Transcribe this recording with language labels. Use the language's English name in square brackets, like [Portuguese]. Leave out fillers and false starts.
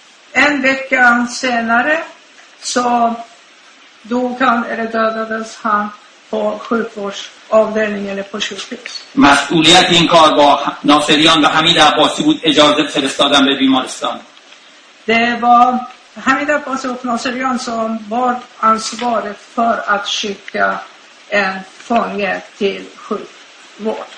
[Swedish] En vecka senare så dog han eller dödades han på sjukvårdsavdelning eller på sjukhus. [Persian] مسئولیت این کار با ناصریان و حمید عباسی بود اجازه فرستادن به بیمارستان. [Swedish] Det var Hamid Abbasi och Naserian som var ansvaret för att skicka en fånge till sjukvård.